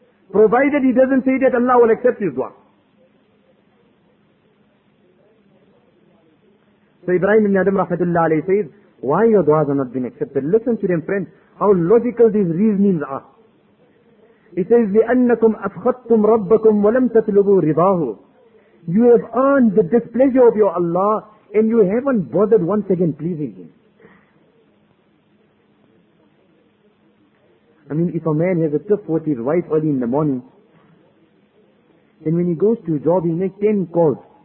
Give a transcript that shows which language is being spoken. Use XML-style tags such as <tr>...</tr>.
<en>Provided he doesn't say that, Allah will accept his dua. So Ibrahim ibn Adam rahmatullah alayhi says, why your du'as are not being accepted? Listen to them, friends, how logical these reasonings are. He says,</en> <ar>لِأَنَّكُمْ أَفْخَطْتُمْ رَبَّكُمْ وَلَمْ تَتْلُبُوا رِضَاهُ.</ar> <en>You have earned the displeasure of your Allah and you haven't bothered once again pleasing Him. I mean, if a man has a tiff with his wife early in the morning, then when he goes to a job, he makes 10 calls.</en>